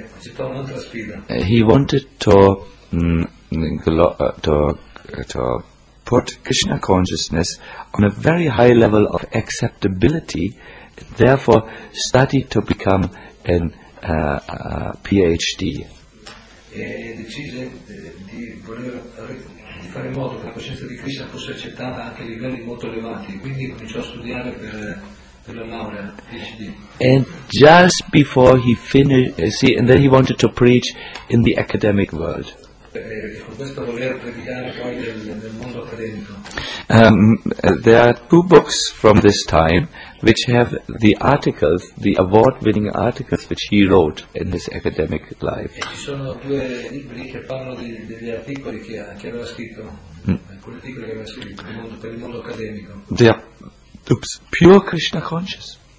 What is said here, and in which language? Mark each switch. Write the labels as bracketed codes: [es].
[en] He wanted to put Krishna consciousness on a very high level of acceptability. Therefore, studied to become a PhD. [it] E decise di voler di fare in modo che la coscienza di Krishna fosse accettata anche a livelli molto elevati, quindi cominciò a studiare per la laurea PhD. [en] And just before he finished, and then he wanted to preach in the academic world. [it] Con questo voler predicare poi nel mondo accademico. [en] There are two books from this time which have the articles, the award-winning articles which he wrote in his academic life. [it] E ci sono due libri che parlano degli articoli che aveva scritto, quegli articoli che aveva scritto per il mondo accademico. [en] Pure Krishna conscious.